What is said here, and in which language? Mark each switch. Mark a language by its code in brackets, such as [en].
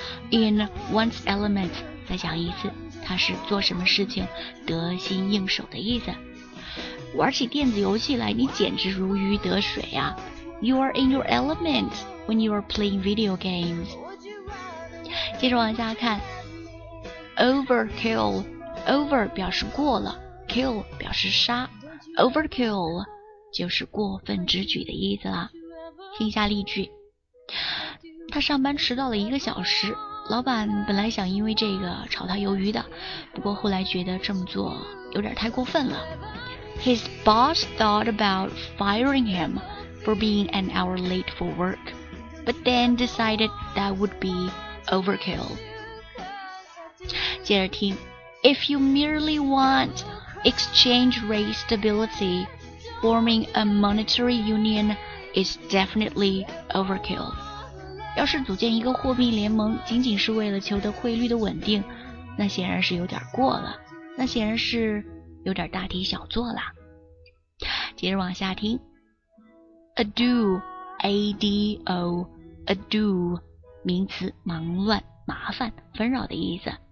[en] In one's element， [zh] 再讲一次，它是做什么事情得心应手的意思。玩起电子游戏来，你简直如鱼得水啊。 [en] You are in your element when you are playing video games。 [zh] 接着往下看，Overkill， over 表示过了， kill 表示杀， overkill 就是过分之举的意思啦。听一下例句，他上班迟到了一个小时，老板本来想因为这个炒他鱿鱼的，不过后来觉得这么做有点太过分了。 [en] His boss thought about firing him for being an hour late for work, but then decided that would be overkill. [zh] 接着听， [en] If you merely want exchange rate stability, forming a monetary union is definitely overkill. [zh] 要是组建一个货币联盟仅仅是为了求得汇率的稳定，那显然是有点过了，那显然是有点大题小做了。接着往下听， ado, A-D-O, ado, 名词，忙乱、麻烦、纷扰的意思。